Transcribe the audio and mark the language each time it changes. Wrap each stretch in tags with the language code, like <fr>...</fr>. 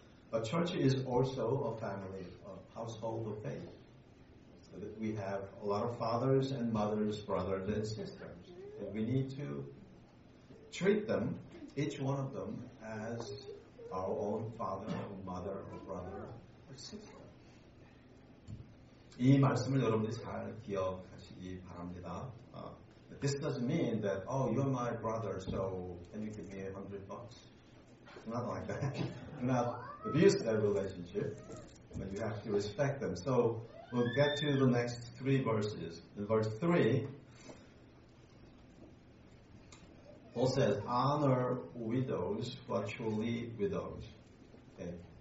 <en>But church is also a family, a household of faith. So that we have a lot of fathers and mothers, brothers and sisters. And we need to treat them, each one of them, as our own father or mother or brother or sister.</en> <ko>이 말씀을 여러분들이 잘 기억하시기 바랍니다.</ko> <en>This doesn't mean that, oh, you're my brother, so can you give me $100? Not like that. Not abuse that relationship, but you have to respect them. So, we'll get to the next 3 verses. In verse 3, Paul says, honor widows who are truly widows. Okay.</en>